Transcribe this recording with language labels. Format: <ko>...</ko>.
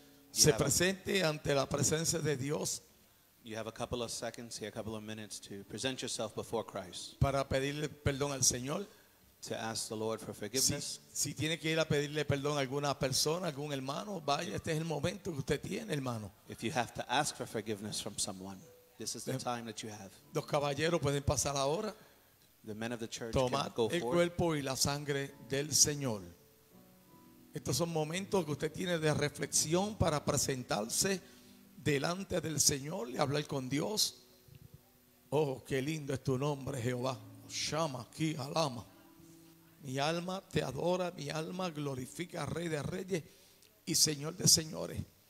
<es>Se presente ante la presencia de Dios.</es> <en>You have a couple of seconds here, a couple of minutes to present yourself before Christ.</en> <es>Para pedirle perdón al Señor.</es> <en>To ask the Lord for forgiveness.</en> <es>Si tiene que ir a pedirle perdón a alguna persona, algún hermano, vaya, este es el momento que usted tiene, hermano.</es> <en>If you have to ask for forgiveness from someone, this is the time that you have.</en> <es>Los caballeros pueden pasar ahora.</es> <en>The men of the church can go forward.</en> <es>El cuerpo y la sangre del Señor. Estos son momentos que usted tiene de reflexión para presentarse delante del Señor y hablar con Dios. Oh, qué lindo es tu nombre, Jehová. Shama ki alama. Mi alma te adora, mi alma glorifica al Rey de Reyes y Señor de Señores.</es>